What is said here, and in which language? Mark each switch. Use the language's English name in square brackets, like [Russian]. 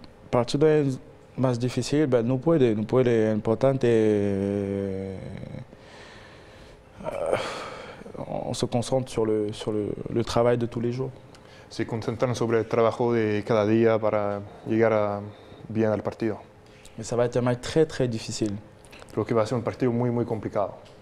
[Spanish] Partido más difícil, pero no puede, importante. [French] On se concentre sur le travail de tous les jours. [Spanish] Se concentran sobre el trabajo de cada día para llegar bien al partido. [French] Mais ça va être un match très très difficile. [Spanish] Creo que va a ser un partido muy, muy complicado.